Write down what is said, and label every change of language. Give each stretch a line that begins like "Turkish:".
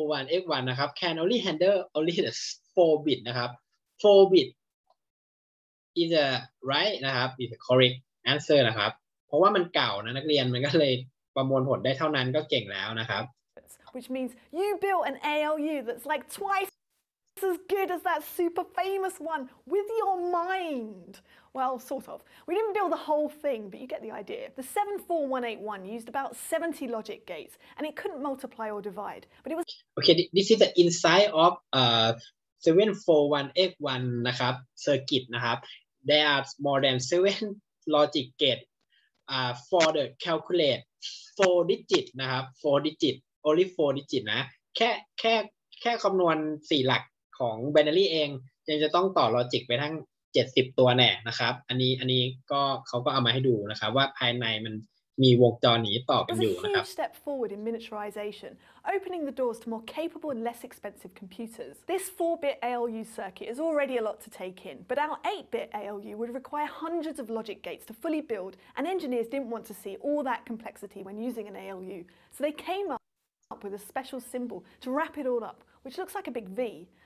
English: 74181นะครับ can only handle only the 4 bit นะครับ 4 bit is the right นะครับ is the correct answer นะครับ
Thai: เพราะว่ามันเก่านะนักเรียนมันก็เลยประมวลผลได้เท่านั้นก็เก่งแล้วนะครับ
English: which means you built an ALU that's like twiceas good as that super famous one with your mind. Well, sort of. We didn't build the whole thing, but you get the idea. The 74181 used about 70 logic gates and it couldn't multiply or divide, but it was... Okay, this is the inside of 74181
Thai: นะครับ circuit นะครับ
English: there are more than 7 logic gate for the calculate 4 digit
Thai: นะครับ
English: 4 digit only 4 digit
Thai: นะแค่คำนวณ4หลักของแบนเนอรี่เองยังจะต้องต่อลอจิกไปทั้ง70ตัวแน่นะครับอันนี้ก็เขาก็เอามาให้ดูนะครับว่าภายในมันมีวงจรนี้ต่อกันอยู่นะครับ
English: It's a huge step forward in miniaturization, opening the doors to more capable and less expensive computers. This 4-bit ALU circuit is already a lot to take in, but our 8-bit ALU would require hundreds of logic gates to fully build, and engineers didn't want to see all that complexity when using an ALU, so they came up with a special symbol to wrap it all up, which looks like a big V.